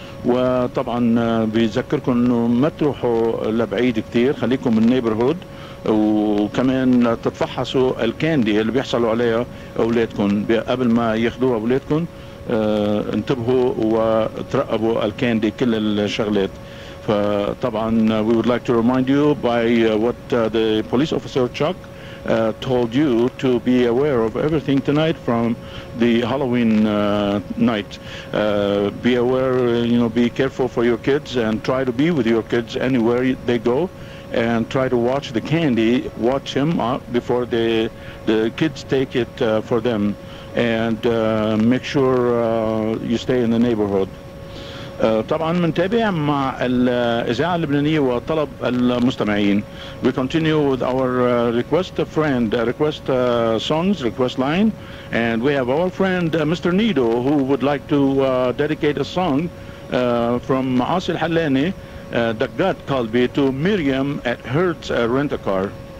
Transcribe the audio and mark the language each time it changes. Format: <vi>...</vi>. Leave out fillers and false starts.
<ar>وطبعا بيذكركم انه ما تروحوا لبعيد كتير، خليكم من نيبرهود وكمان تتفحصوا الكاندي اللي بيحصلوا عليها اولادكم قبل ما ياخذوها اولادكم، انتبهوا وترقبوا الكاندي كل الشغلات.</ar> <en>فطبعا we would like to remind you by what the police officer Chuck told you to be aware of everything tonight from the Halloween night. Be aware, you know, be careful for your kids and try to be with your kids anywhere they go, and try to watch the candy, watch him before the kids take it for them, and make sure you stay in the neighborhood.</en> <ar>طبعا منتابع مع الإذاعة اللبنانية وطلب المستمعين.</ar> <en>We continue with our request a friend, request songs, request line. And we have our friend Mr. Nido who would like to dedicate a song from عاصي الحلاني دقات قلبي to Miriam at Hertz Rent-A-Car.</en>